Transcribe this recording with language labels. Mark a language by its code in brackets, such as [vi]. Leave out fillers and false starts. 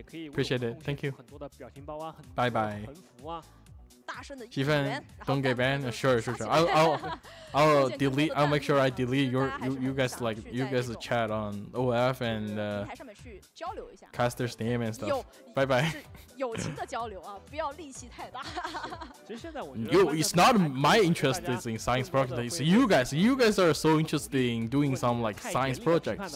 [en] Appreciate it, thank you. Bye bye. Shifan, don't get banned. Sure. I'll make sure I delete you guys like you guys' chat on OF and caster's name and stuff. Bye bye. [zh] 友情的交流啊，不要戾气太大。 [en] Yo, it's not my interest in science projects. You guys are so interested in doing some like science projects.